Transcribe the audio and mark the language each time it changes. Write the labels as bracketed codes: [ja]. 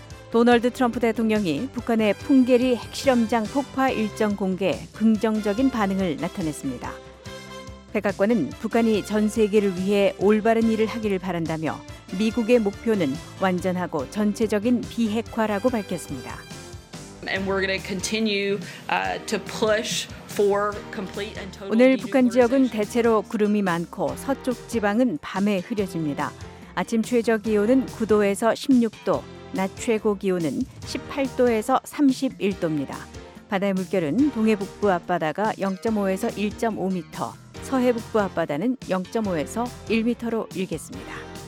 [ko] 도널드 트럼프 대통령이 북한의 풍계리 핵실험장 폭파 일정 공개에 긍정적인 반응을 나타냈습니다. 백악관은 북한이 전 세계를 위해 올바른 일을 하기를 바란다며 미국의 목표는 완전하고 전체적인 비핵화라고 밝혔습니다. [en] And we're going to continue to push for complete and total. [ko] 오늘 북한 지역은 대체로 구름이 많고 서쪽 지방은 밤에 흐려집니다. 아침 최저 기온은 9도에서 16도, 낮 최고 기온은 18도에서 31도입니다. 바다의 물결은 동해 북부 앞바다가 0.5에서 1.5m, 서해 북부 앞바다는 0.5에서 1m로 일겠습니다.